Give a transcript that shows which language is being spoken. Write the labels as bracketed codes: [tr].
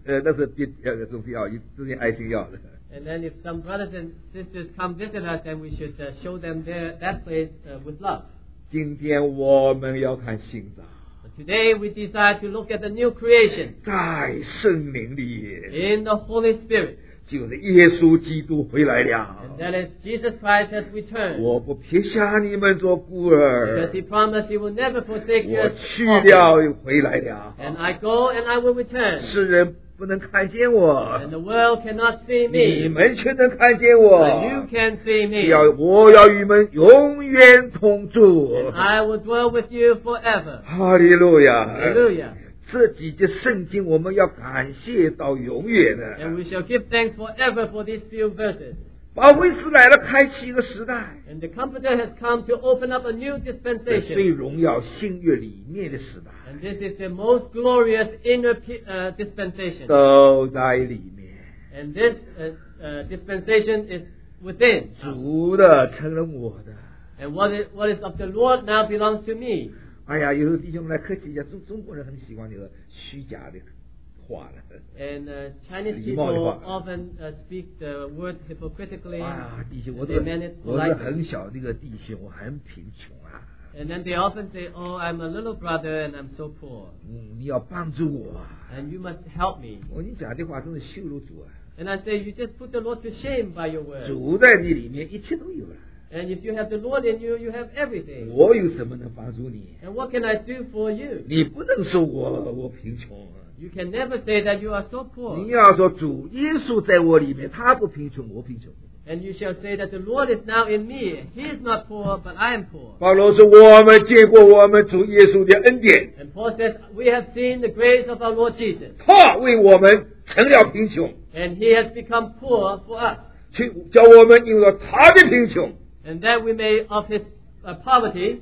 [zh] 那弟兄姊妹来了，看看迪士尼乐园是那是比较重要，有点爱心要的。 [en] And then if some brothers and sisters come visit us, then we should show them that place with love. [zh] 今天我们要看新造。 [en] Today we desire to look at the new creation. [zh] 在圣灵里。 [en] In the Holy Spirit. [zh] 就是耶稣基督回来了。 [en] That is Jesus Christ has returned. [zh] 我不撇下你们做孤儿。 [en] Because he promised he will never forsake you. [zh] 我去了又回来了。 [en] And I go and I will return. [zh] 世人 不能看见我, [en] and the world cannot see me. [zh] 你们却能看见我, [en] but you can see me. [zh] 我要与你们永远同住, [en] and I will dwell with you forever. Hallelujah. Hallelujah. [zh] 这几节圣经我们要感谢到永远, [en] and we shall give thanks forever for these few verses. [zh] 保惠师来了开启一个时代, [en] and the comforter has come to open up a new dispensation. [zh] 这最荣耀新约里面的时代, [en] and this is the most glorious inner dispensation. [zh] 都在里面。 [en] And this dispensation is within. [zh] 主的成了我的。 [en] And what is of the Lord now belongs to me. [zh] 哎呀, 有时候弟兄们来客气一下, 中国人很喜欢这个虚假的话了。 [en] And Chinese people often speak the word hypocritically. [zh] 哎呀,弟兄,我都很小的一个弟兄,我很贫穷。 [en] And then they often say, oh, I'm a little brother and I'm so poor. [zh] 你要帮助我, [en] and you must help me. [zh] 你讲的话真是羞辱主啊。 [en] And I say, you just put the Lord to shame by your word. [zh] 主在你里面一切都有了。 [en] And if you have the Lord in you, you have everything. [zh] 我有什么能帮助你? [en] And what can I do for you? [zh] 你不能说我贫穷。 [en] You can never say that you are so poor. [zh] 你要说主耶稣在我里面,他不贫穷,我贫穷。 [en] And you shall say that the Lord is now in me. He is not poor, but I am poor. [zh] 保罗说,我们见过我们主耶稣的恩典。 [en] And Paul says, we have seen the grace of our Lord Jesus. [zh] 他为我们成了贫穷。 [en] And he has become poor for us. [zh] 叫我们因着他的贫穷。 [en] And that we may of his poverty